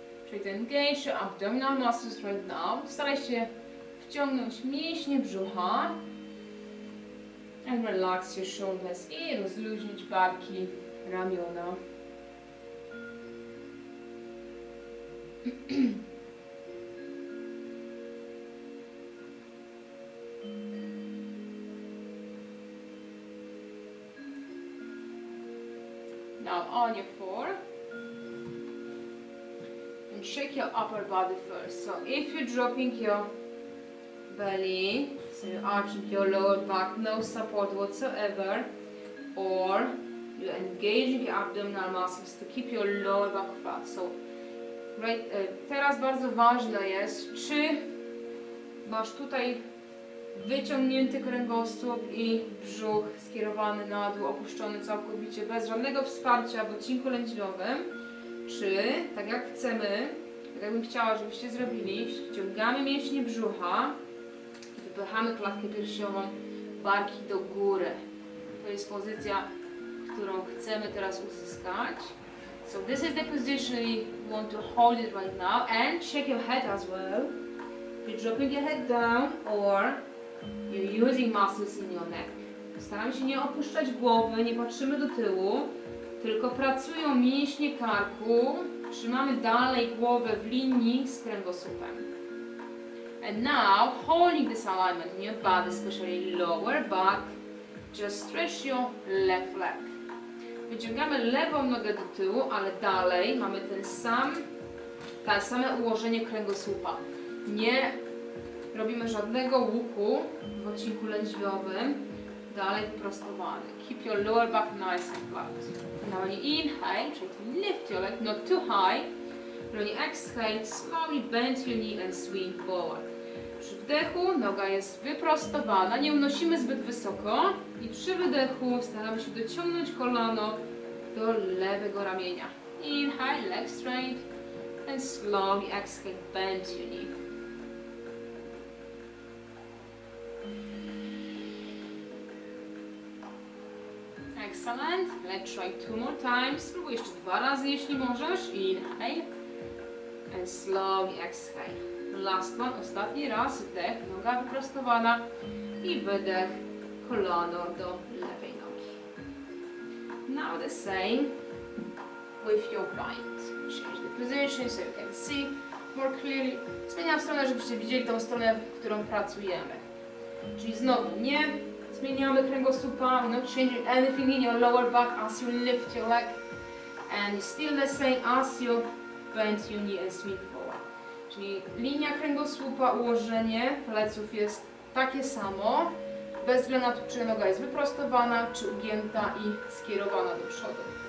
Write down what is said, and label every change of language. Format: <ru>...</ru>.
<en>Try to engage your abdominal muscles right now.</en> <pl>Staraj się wciągnąć mięśnie brzucha.</pl> <en>And relax your shoulders.</en> <pl>I rozluźnić barki, ramiona.</pl> <en>On your four and shake your upper body first. So if you're dropping your belly, so you're arching your lower back, no support whatsoever, or you're engaging your abdominal muscles to keep your lower back flat. So right,</en> <pl>teraz bardzo ważne jest, czy masz tutaj wyciągnięty kręgosłup i brzuch skierowany na dół, opuszczony całkowicie, bez żadnego wsparcia w odcinku lędźwiowym. Czy, tak jak chcemy, tak jakbym chciała, żebyście zrobili, ściągamy mięśnie brzucha i wypychamy klatkę piersiową, barki do góry. To jest pozycja, którą chcemy teraz uzyskać.</pl> <en>So this is the position you want to hold it right now and shake your head as well. If you're dropping your head down or you're using muscles in your neck.</en> <pl>Staramy się nie opuszczać głowy, nie patrzymy do tyłu, tylko pracują mięśnie karku, trzymamy dalej głowę w linii z kręgosłupem.</pl> <en>And now, holding this alignment in your body, especially lower back, just stretch your left leg.</en> <pl>Wyciągamy lewą nogę do tyłu, ale dalej mamy to same ułożenie kręgosłupa. Nie robimy żadnego łuku w odcinku lędźwiowym. Dalej wyprostowany.</pl> <en>Keep your lower back nice and flat. Now when you inhale, try to lift your leg, not too high. When you exhale, slowly bend your knee and swing forward.</en> <pl>Przy wdechu noga jest wyprostowana, nie unosimy zbyt wysoko. I przy wydechu staramy się dociągnąć kolano do lewego ramienia.</pl> <en>Inhale, leg straight. And slowly exhale, bend your knee. Excellent. Let's try two more times.</en> <pl>Spróbuj jeszcze dwa razy, jeśli możesz.</pl> <en>Inhale. And slowly exhale. Last one.</en> <pl>Ostatni raz. Wdech. Noga wyprostowana. I wydech. Kolano do lewej nogi.</pl> <en>Now the same with your right. Change the position so you can see more clearly.</en> <pl>Zmieniam stronę, żebyście widzieli tą stronę, w którą pracujemy. Czyli znowu nie. Zmieniamy kręgosłupa,</pl> <en>not changing anything in your lower back as you lift your leg. And still the same as you bend your knee and swing forward.</en> <pl>Czyli linia kręgosłupa, ułożenie pleców jest takie samo, bez względu na to, czy noga jest wyprostowana, czy ugięta i skierowana do przodu.</pl>